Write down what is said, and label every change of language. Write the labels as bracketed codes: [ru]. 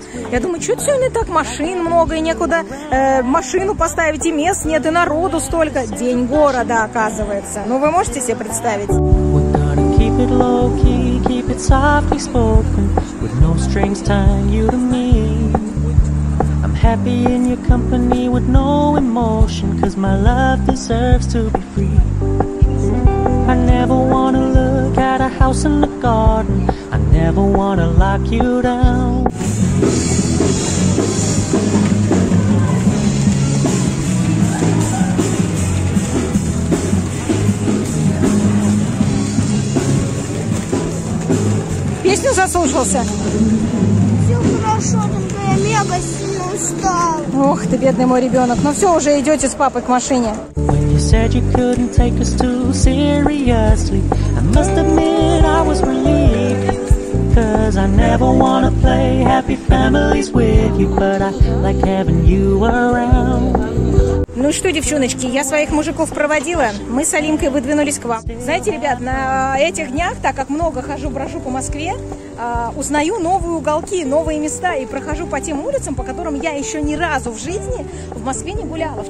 [ru] Я думаю, что-то сегодня так машин много и некуда машину поставить, и мест нет, и народу столько. День города, оказывается. Ну, вы можете себе представить? [en] Happy in your company with no emotion, 'cause my love deserves to be free. I never wanna look at a house in the garden. I never wanna lock you down. [ru] Песню заслушался. Все хорошо, я мега сильно устал. Ох ты, бедный мой ребенок. Ну все, уже идете с папой к машине. [en] When you said you couldn't take us too seriously, I must admit I was relieved. 'Cause I never wanna play happy families with you, but I like having you around. [ru] Ну что, девчоночки, я своих мужиков проводила. Мы с Алинкой выдвинулись к вам. Знаете, ребят, на этих днях, так как много хожу, брожу по Москве, узнаю новые уголки, новые места и прохожу по тем улицам, по которым я еще ни разу в жизни в Москве не гуляла.